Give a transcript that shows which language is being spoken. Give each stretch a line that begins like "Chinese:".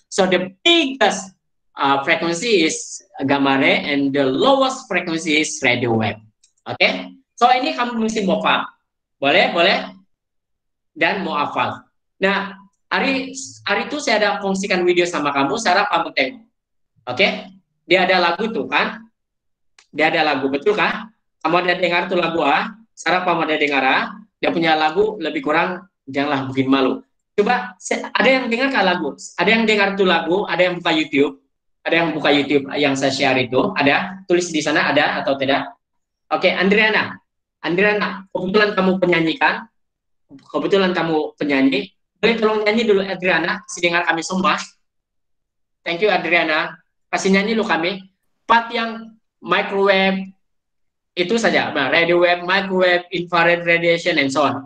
English: So the biggest frequency is gamma ray and the lowest frequency is radio wave. Okay?
Malay: So ini kamu mesti mau paham. Boleh? Dan mau hafal. Nah, hari itu saya ada kongsikan video sama kamu, Sarah Pamuteng. Okay? Dia ada lagu tuh kan? Dia ada lagu, betul kah? Kamu ada dengar tuh lagu ah? Sarah Pamuteng ada dengar ah? Dia punya lagu lebih kurang janganlah bikin malu. Coba ada yang dengar kah lagu? Ada yang dengar tuh lagu? Ada yang buka YouTube? Ada yang buka YouTube yang saya share itu? Ada? Tulis di sana ada atau tidak? Oke, okay, Andriana, kebetulan kamu penyanyi kan? Kebetulan kamu penyanyi. Boleh tolong nyanyi dulu Adriana, sedengar kami semua.
English: Thank you Adriana.
Malay: Kasih nyanyi lu kami. Part yang microwave itu saja.
English: Radio wave, microwave, infrared radiation and so on.